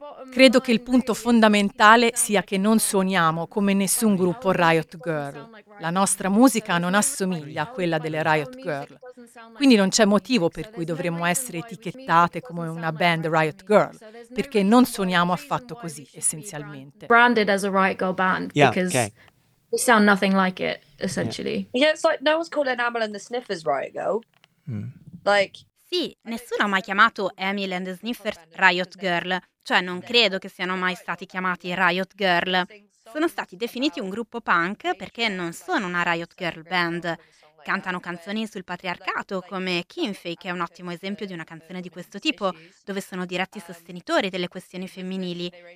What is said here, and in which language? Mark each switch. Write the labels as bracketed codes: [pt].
[it] Credo che il punto fondamentale sia che non suoniamo come nessun gruppo Riot Girl. La nostra musica non assomiglia a quella delle Riot Girl. Quindi non c'è motivo per cui dovremmo essere etichettate come una band Riot Girl, perché non suoniamo affatto così, essenzialmente. [en] Branded as a Riot Girl band, because we sound nothing like it, essentially. Yeah, it's like no one's called Enamel and the Sniffers Riot Girl. Like... [it] Sì, nessuno ha mai chiamato Emil and the Sniffers Riot Girl, cioè non credo che siano mai stati chiamati Riot Girl. Sono stati definiti un gruppo punk perché non sono una Riot Girl band. Cantano canzoni sul patriarcato, come Kinfei, che è un ottimo esempio di una canzone di questo tipo, dove sono diretti sostenitori delle questioni femminili.